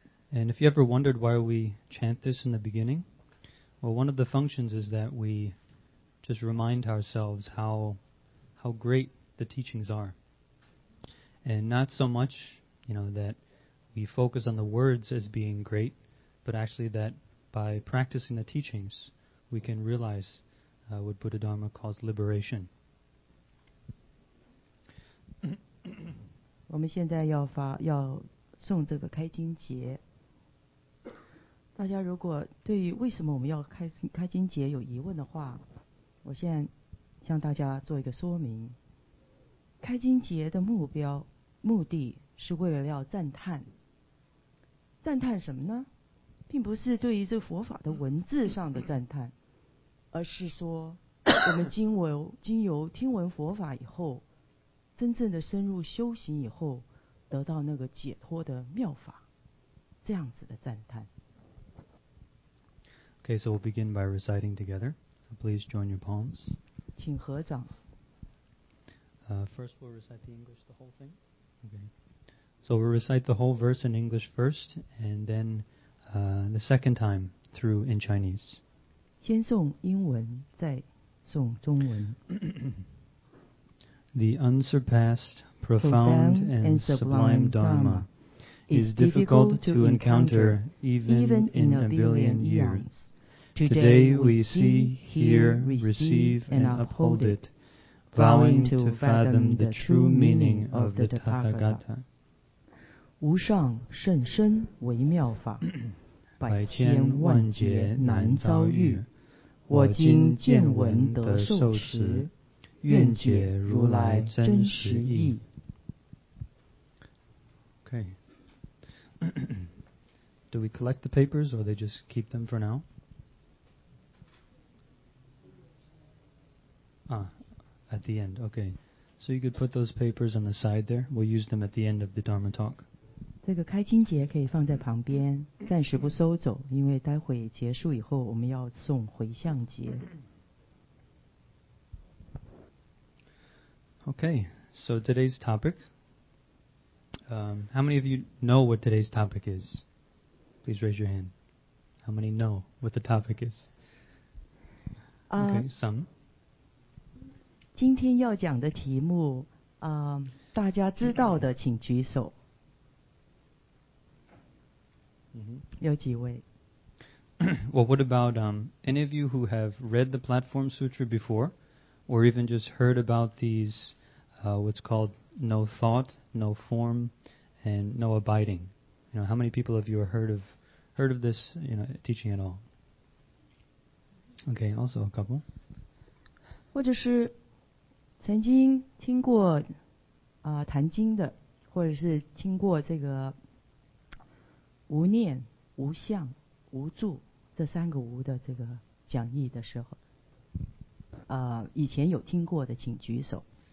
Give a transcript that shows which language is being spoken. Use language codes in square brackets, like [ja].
[en] And if you ever wondered why we chant this in the beginning, well, one of the functions is that we just remind ourselves how great the teachings are. And not so much... You know, that we focus on the words as being great, but actually that by practicing the teachings, we can realize what Buddha Dharma calls liberation. [zh] 我们现在要诵这个开经节。大家如果对于为什么我们要开经节有疑问的话，我现在向大家做一个说明。开经节的目的是为了要赞叹，赞叹什么呢？并不是对于这佛法的文字上的赞叹，而是说我们经由听闻佛法以后，真正的深入修行以后，得到那个解脱的妙法，这样子的赞叹。 [en] Okay, so we'll begin by reciting together. So please join your palms. [zh] 请合掌。 [en] First, we'll recite the English, the whole thing. Okay. So we'll recite the whole verse in English first, and then the second time through in Chinese. [zh] 先诵英文，再诵中文。 [en] The unsurpassed, profound, and sublime Dharma is difficult to encounter even in a billion years. Today we see, hear, receive, and uphold it, vowing to fathom the true meaning of the Tathagata. [zh] 无上甚深微妙法，百千万劫难遭遇。我今见闻得受持，愿解如来真实义。 [en] Okay. Do we collect the papers, or they just keep them for now? At the end. Okay. So you could put those papers on the side there. We'll use them at the end of the Dharma talk. [zh] 这个开经节可以放在旁边，暂时不收走，因为待会结束以后我们要诵回向节。 [en] Okay, so today's topic. How many of you know what today's topic is? Please raise your hand. How many know what the topic is? Okay, some. [zh] 今天要讲的题目，大家知道的请举手。 Mm-hmm. 有几位 [en] Well, what about any of you who have read the Platform Sutra before, or even just heard about these, what's called no thought, no form, and no abiding? You know, how many people have you heard of this, you know, teaching at all? Okay, also a couple. [zh] 或者是曾经听过谈经的，或者是听过这个。无念、无相、无住这三个无的这个讲义的时候，以前有听过的请举手。